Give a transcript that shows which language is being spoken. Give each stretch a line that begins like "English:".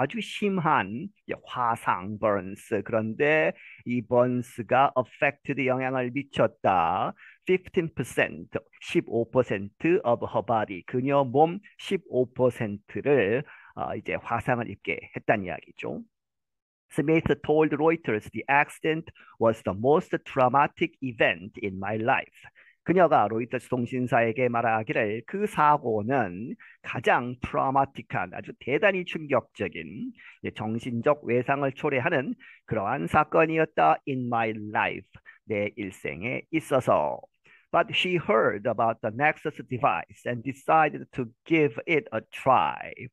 Korean: 아주 심한 화상 burns. 그런데 이 burns가 affected 영향을 미쳤다.
English: 15%, 15% of her body.
Korean: 그녀 몸 15%를 이제 화상을 입게 했단 이야기죠.
English: Smith told Reuters the accident was the most traumatic event in my life.
Korean: 그녀가 로이터스 통신사에게 말하기를 그 사고는 가장 트라우마틱한 아주 대단히 충격적인 정신적 외상을 초래하는 그러한 사건이었다.
English: In my life,
Korean: 내 일생에 있어서.
English: But she heard about the Nexus device and decided to give it a try.